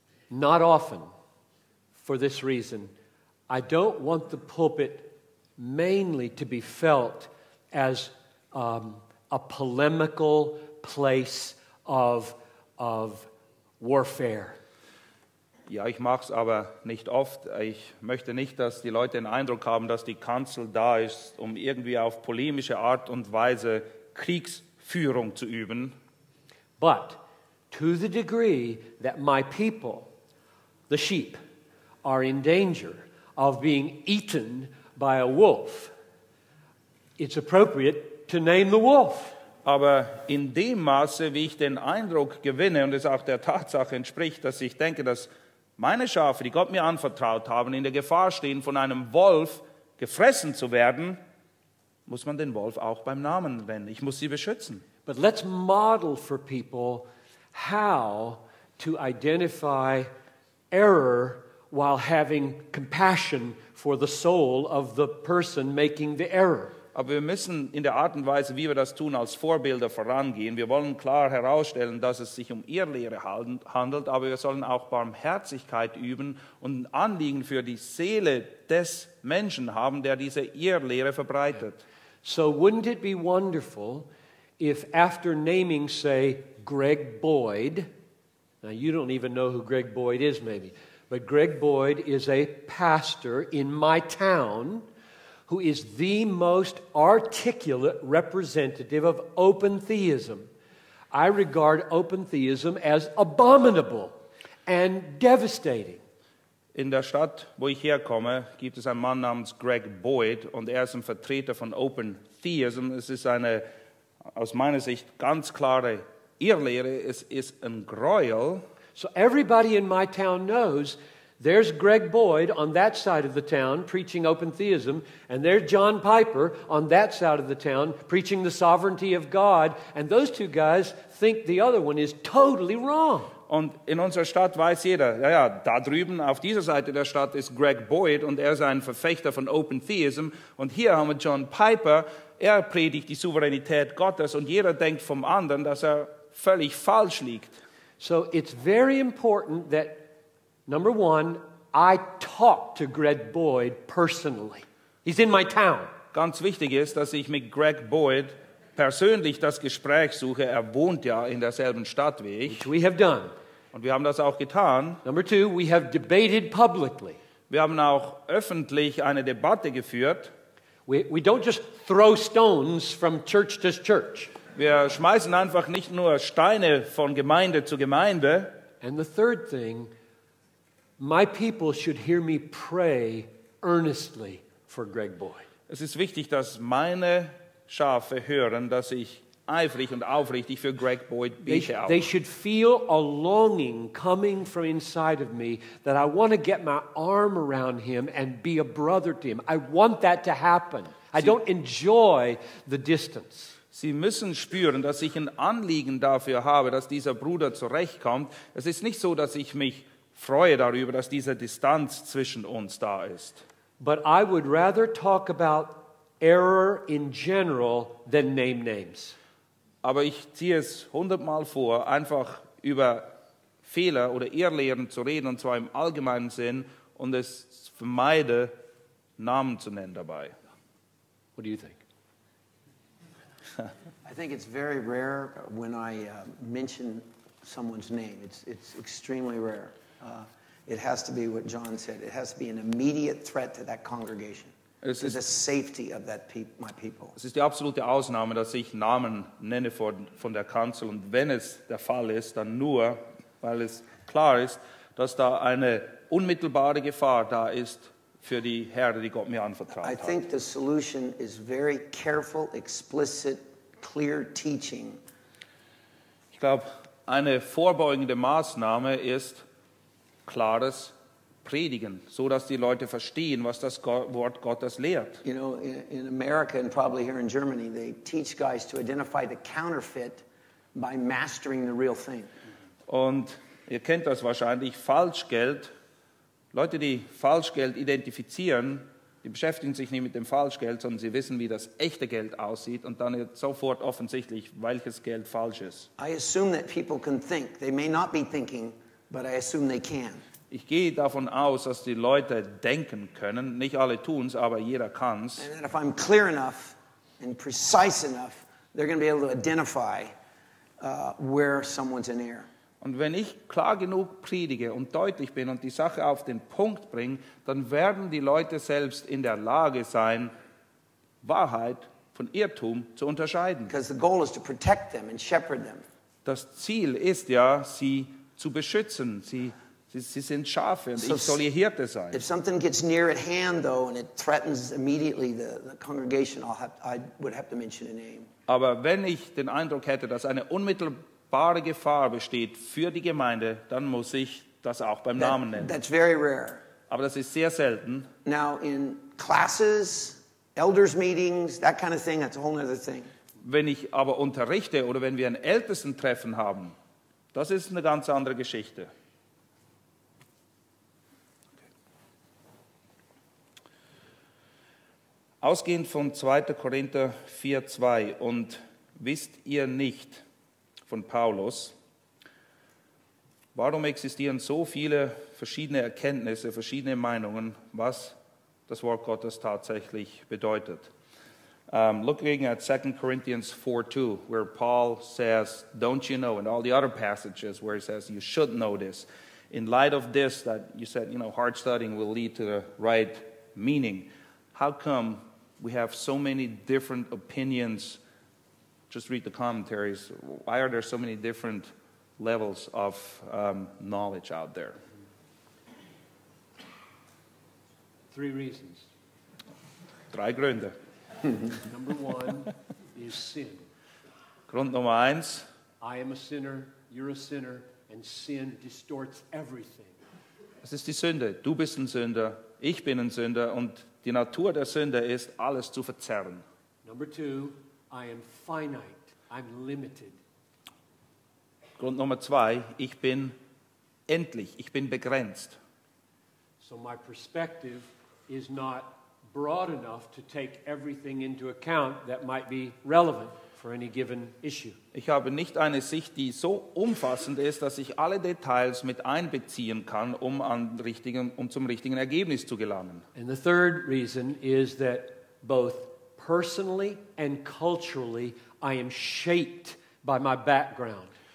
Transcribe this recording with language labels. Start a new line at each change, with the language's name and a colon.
English: Not often, for this reason, I don't want the pulpit mainly to be felt as a polemical place of warfare.
German: Ja, ich mach's aber nicht oft. Ich möchte nicht, dass die Leute den Eindruck haben, dass die Kanzel da ist, um irgendwie auf polemische Art und Weise Kriegsführung zu üben.
English: But to the degree that my people, the sheep, are in danger of being eaten by a wolf, it's appropriate to name the wolf.
German: Aber in dem Maße, wie ich den Eindruck gewinne und es auch der Tatsache entspricht, dass ich denke, dass meine Schafe, die Gott mir anvertraut haben, in der Gefahr stehen, von einem Wolf gefressen zu werden, muss man den Wolf auch beim Namen nennen. Ich muss sie beschützen.
English: But let's model for people how to identify error while having compassion for the soul of the person making the error.
German: Aber wir müssen in der Art und Weise, wie wir das tun, als Vorbilder vorangehen. Wir wollen klar herausstellen, dass es sich um Irrlehre handelt, aber wir sollen auch Barmherzigkeit üben und ein Anliegen für die Seele des Menschen haben, der diese Irrlehre verbreitet.
English: So wouldn't it be wonderful if after naming, say, Greg Boyd, now you don't even know who Greg Boyd is maybe, but Greg Boyd is a pastor in my town who is the most articulate representative of open theism. I regard open theism as abominable and devastating.
German: In der Stadt, wo ich herkomme, gibt es einen Mann namens Greg Boyd und er ist ein Vertreter von Open Theism. Es ist eine, aus meiner Sicht, ganz klare Irrlehre. Es ist ein Gräuel.
English: So everybody in my town knows there's Greg Boyd on that side of the town preaching open theism, and there's John Piper on that side of the town preaching the sovereignty of God, and those two guys think the other one is totally wrong.
German: Und in unserer Stadt weiß jeder, ja, ja, da drüben auf dieser Seite der Stadt ist Greg Boyd und er ist ein Verfechter von Open Theism. Und hier haben wir John Piper, er predigt die Souveränität Gottes und jeder denkt vom anderen, dass er völlig falsch liegt.
English: So it's very important that, number one, I talk to Greg Boyd personally. He's in my town.
German: Ganz wichtig ist, dass ich mit Greg Boyd persönlich das Gespräch suche. Er wohnt ja in derselben Stadt wie ich.
English: Which we have done.
German: Und wir haben das auch getan.
English: Number two, we have debated publicly.
German: Wir haben auch öffentlich eine Debatte geführt.
English: We don't just throw stones from church to church.
German: Wir schmeißen einfach nicht nur Steine von Gemeinde zu Gemeinde.
English: And the third thing, my people should hear me pray earnestly for Greg Boyd.
German: Es ist wichtig, dass meine Schafe hören, dass ich eifrig und aufrichtig für Greg Boyd bete.
English: They should feel a longing coming from inside of me that I want to get my arm around him and be a brother to him. I want that to happen. I don't enjoy the distance.
German: Sie müssen spüren, dass ich ein Anliegen dafür habe, dass dieser Bruder zurechtkommt. Es ist nicht so, dass ich mich freue darüber, dass diese Distanz zwischen uns da ist.
English: But I would rather talk about error in general than name names.
German: Aber ich ziehe es 100-mal vor, einfach über Fehler oder Irrlehren zu reden, und zwar im allgemeinen Sinn, und es vermeide, Namen zu nennen dabei.
English: What do you think? I think it's very rare when I mention someone's name. It's extremely rare. It has to be what John said. It has to be an immediate threat to that congregation. It's the safety of that my people.
German: Es ist die absolute Ausnahme, dass ich Namen nenne von der Kanzel. Und wenn es der Fall ist, dann nur, weil es klar ist, dass da eine unmittelbare Gefahr da ist für die Herde, die Gott mir anvertraut hat.
English: I think the solution is very careful, explicit, clear teaching.
German: Ich glaube, eine vorbeugende Maßnahme ist klares Predigen, so dass die Leute verstehen, was das Wort Gottes lehrt.
English: You know, in America and probably here in Germany, they teach guys to identify the counterfeit by mastering the real thing.
German: Und ihr kennt das wahrscheinlich, Falschgeld. Leute, die Falschgeld identifizieren, die beschäftigen sich nicht mit dem Falschgeld, sondern sie wissen, wie das echte Geld aussieht und dann sofort offensichtlich, welches Geld falsch ist.
English: I assume that people can think. They may not be thinking, but I assume they can.
German: Ich gehe davon aus, dass die Leute denken können. Nicht alle tun es, aber jeder kann es.
English: And if I'm clear enough and precise enough, they're going to be able to identify where someone's in error.
German: Und wenn ich klar genug predige und deutlich bin und die Sache auf den Punkt bringe, dann werden die Leute selbst in der Lage sein, Wahrheit von Irrtum zu unterscheiden.
English: Because the goal is to protect them and shepherd them.
German: Das Ziel ist ja, sie zu beschützen. Sie sind Schafe und ich soll ihr Hirte sein.
English: If something gets near at hand though and it threatens immediately the congregation, I would have to mention a name.
German: Aber wenn ich den Eindruck hätte, dass eine unmittelbare wahre Gefahr besteht für die Gemeinde, dann muss ich das auch beim Namen nennen.
English: That's very rare.
German: Aber das ist sehr selten.
English: Now in classes, elders meetings, that kind of thing, that's a whole other thing.
German: Wenn ich aber unterrichte oder wenn wir ein Ältestentreffen haben, Das ist eine ganz andere Geschichte. Ausgehend von 2. Korinther 4, 2 und wisst ihr nicht von Paulus, warum existieren so viele verschiedene Erkenntnisse, verschiedene Meinungen, was das Wort Gottes tatsächlich bedeutet.
English: Looking at 2 Corinthians 4, 2, where Paul says, don't you know, and all the other passages where he says, you should know this. In light of this, that you said, you know, hard studying will lead to the right meaning. How come we have so many different opinions? Just read the commentaries. Why are there so many different levels of knowledge out there? Three reasons.
German: Drei Gründe.
English: Number one is sin.
German: Grund Nummer eins.
English: I am a sinner, you're a sinner, and sin distorts everything.
German: Es ist die Sünde. Du bist ein Sünder, ich bin ein Sünder, und die Natur der Sünde ist, alles zu verzerren.
English: Number two, I am finite, I'm limited.
German: Grund Nummer zwei, ich bin endlich, ich bin begrenzt.
English: So my perspective is not broad enough to take everything into account that might be relevant for any given issue.
German: Ich habe nicht eine Sicht, die so umfassend ist, dass ich alle Details mit einbeziehen kann, zum richtigen Ergebnis zu gelangen.
English: And the third reason is that both personally and culturally I am shaped by my background.